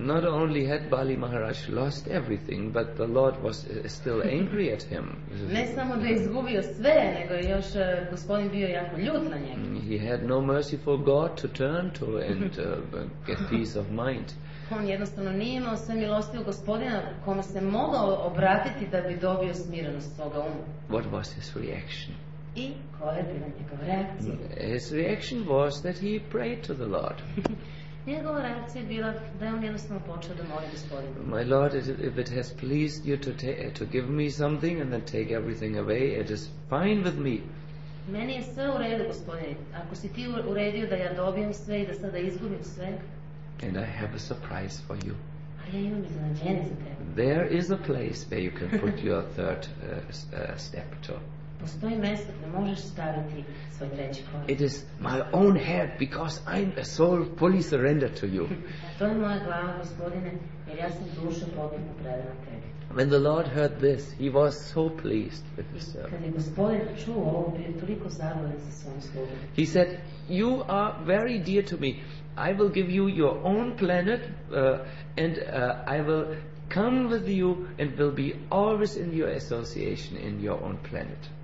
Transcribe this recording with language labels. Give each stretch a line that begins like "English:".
English: Not only had Bali Maharaj lost everything, but the Lord was still angry at him.
Serbian: Ne samo da je izgubio sve, nego je još gospodin bio jako ljut na njega.
English: He had no mercy for God to turn to and get peace of mind.
Serbian: On jednostavno nije imao sve milostivog gospodina kome se mogao obratiti da bi dobio smirenost svoga uma.
English: What was his reaction?
Serbian: I koja je bila njegova reakcija?
English: His reaction was that he prayed to the Lord.
Serbian: Njegova reakcija je bila da je on jednostavno počeo da moli gospodina.
English: My Lord, if it has pleased you to give me something and then take everything away, it is fine with me.
Serbian: Meni je sve u redu, gospodine. Ako si ti uredio da ja dobijem sve i da sada izgubim sve,
English: and I have a surprise for you.
Serbian: Ja imam iznenađenje za tebe.
English: There is a place where you can put your third step to.
Serbian: Postoji mesto gdje možeš staviti svoj treći korak.
English: It is my own head because I'm a soul fully surrendered to you.
Serbian: To je moja glava, gospodine, jer ja sam dušom potpuno predana tebi.
English: When the Lord heard this, he was so pleased with his servant.
Serbian: Kad je gospodin čuo ovo, bio toliko zadovoljan sa svojim slugom.
English: He said, you are very dear to me. I will give you your own planet and I will come with you and will be always in your association in your own planet.